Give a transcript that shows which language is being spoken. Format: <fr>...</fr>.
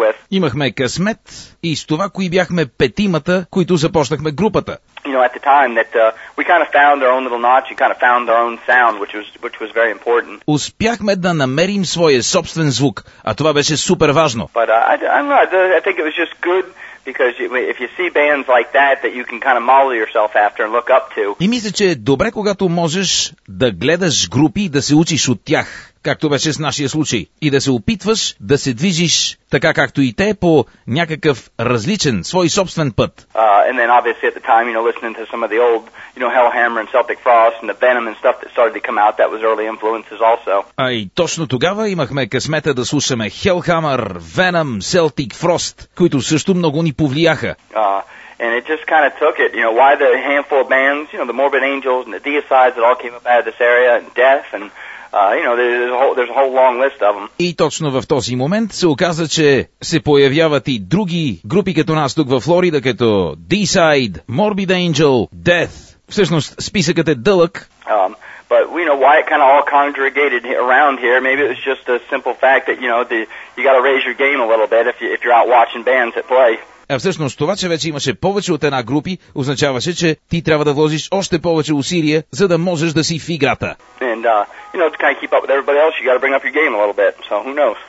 <bg>Имахме късмет и с това, кои бяхме петимата, които започнахме групата.</bg> <en>At the time that we kind of found our own little notch, we kind of found our own sound, which was very important.</en> <bg>Успяхме да намерим своя собствен звук, а това беше супер важно.</bg> <en>But I think it was just good because if you see bands like that that you can kind of model yourself after and look up to.</en> <bg>И мисля, че е добре, когато можеш да гледаш групи и да се учиш от тях, както беше с нашия случай, и да се опитваш да се движиш така както и те по някакъв различен, свой собствен път.</bg> <en>And then obviously at the time, listening to some of the old, Hellhammer and Celtic Frost and the Venom and stuff that started to come out, that was early influences also.</en> <bg>А и точно тогава имахме късмета да слушаме Hellhammer, Venom, Celtic Frost, които също много ни повлияха.</bg> <en>And it just kind of took it, why the handful of bands, the Morbid Angels and the Deicides that all came up out of this area and Death and there's a whole long list of them.</en> <bg>И точно в този момент се оказа, че се появяват и други групи като нас тук във Флорида, като Deicide, Morbid Angel, Death. Всъщност списъкът е дълъг.</bg> <en>But why it kind of all congregated around here, maybe it was just a simple fact that you got to raise your game a little bit if you're out watching bands that play.</en> <bg>А всъщност това, че вече имаше повече от една групи, означаваше, че ти трябва да вложиш още повече усилия, за да можеш да си в играта.</bg> <en>And, to kind of keep up with everybody else, you got to bring up your game a little bit, so who knows?</en>